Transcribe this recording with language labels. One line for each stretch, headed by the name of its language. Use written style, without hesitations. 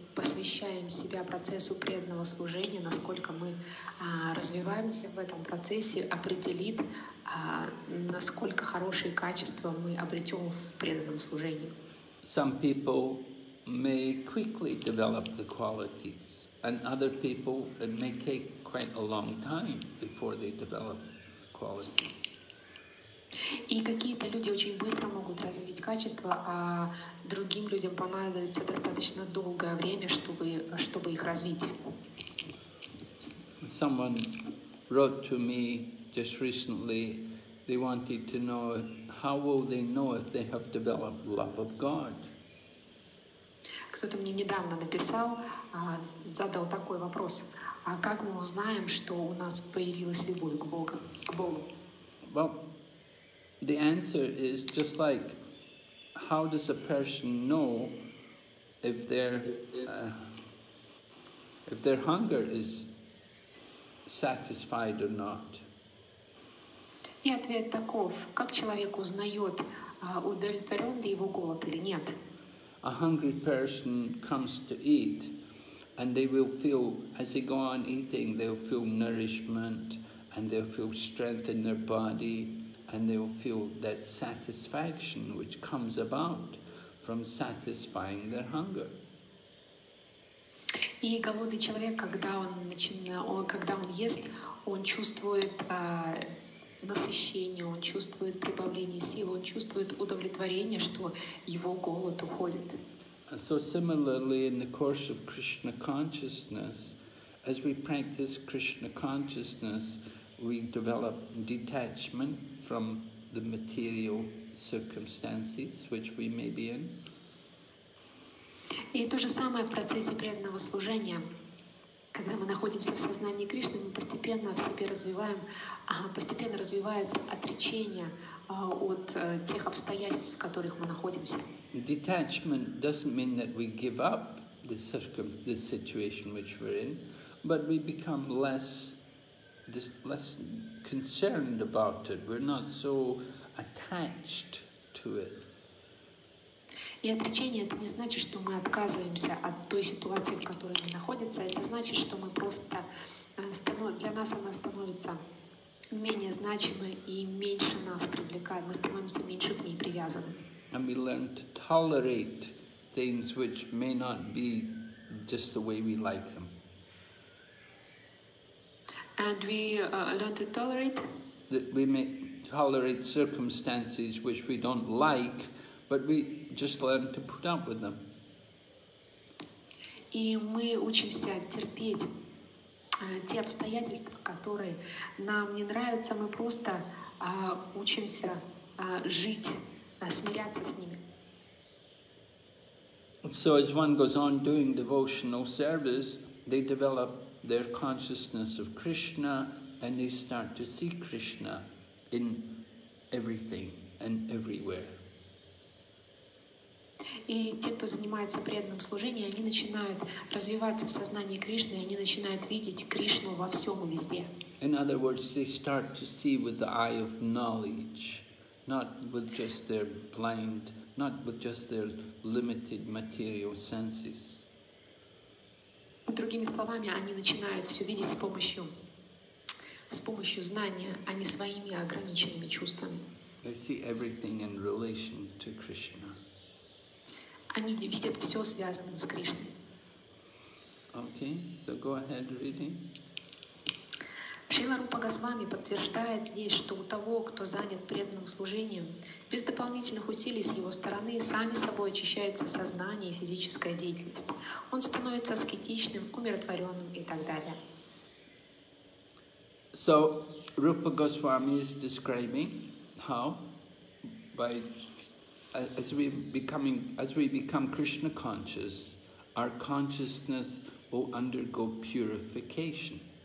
Russian: посвящаем себя процессу преданного служения, насколько мы развиваемся в этом процессе, определит, насколько хорошие качества мы обретем в преданном служении.
English: Some people may quickly develop the qualities, and other people it may take quite a long time before they develop the qualities.
Russian: И какие-то люди очень быстро могут развить качества, а другим людям понадобится достаточно долгое время, чтобы их развить.
English: Someone wrote to me just recently. They wanted to know how will they know if they have developed love of God.
Russian: Кто-то мне недавно написал, задал такой вопрос: а как мы узнаем, что у нас появилась любовь к Богу?
English: Well, the answer is just like, how does a person know if their hunger is satisfied or not?
Russian: И ответ таков: как человек узнает, удовлетворен ли его голод или нет?
English: A hungry person comes to eat, and they will feel, as they go on eating, they'll feel nourishment, and they'll feel strength in their body, and they'll feel that satisfaction which comes about from satisfying their hunger.
Russian: И голодный человек, когда он ест, он чувствует насыщение, он чувствует прибавление сил, он чувствует удовлетворение, что его голод уходит.
English: And so similarly, in the course of Krishna consciousness, as we practice Krishna consciousness, we develop detachment from the material circumstances which we may be in.
Russian: И то же самое в процессе преданного служения. Когда мы находимся в сознании Кришны, мы постепенно в себе развиваем, постепенно развивается отречение от тех обстоятельств, в которых мы находимся.
English: Detachment doesn't mean that we give up the situation which we're in, but we become less concerned about it. We're not so attached to it.
Russian: И отречение — это не значит, что мы отказываемся от той ситуации, в которой мы находимся. Это значит, что мы просто для нас она становится менее значимой и меньше нас привлекает. Мы становимся меньше к ней привязаны.
English: And we learn to tolerate things which may not be just the way we like them. And we learn to tolerate. That we may tolerate circumstances which we don't like, but we just learn to put up with them.
Russian: И мы учимся терпеть те обстоятельства, которые нам не нравятся. Мы просто учимся жить, смиряться с ними.
English: So as one goes on doing devotional service, they develop their consciousness of Krishna, and they start to see Krishna in everything and everywhere.
Russian: И те, кто занимается преданным служением, они начинают развиваться в сознании Кришны, они начинают видеть Кришну во всем и везде.
English: In other words, they start to see with the eye of knowledge, not with just their blind, not with just their limited material senses.
Russian: Другими словами, они начинают все видеть с помощью знания, а не своими ограниченными чувствами.
English: They see everything in relation to Krishna.
Russian: Они видят все связанным с Кришной.
English: Okay, so go ahead reading.
Russian: Шрила Рупа Госвами подтверждает здесь, что у того, кто занят преданным служением, без дополнительных усилий с его стороны сами собой очищается сознание и физическая деятельность. Он становится аскетичным, умиротворенным и так далее.
English: So, Rupa Goswami is describing how by as we become Krishna conscious, our consciousness will undergo purification.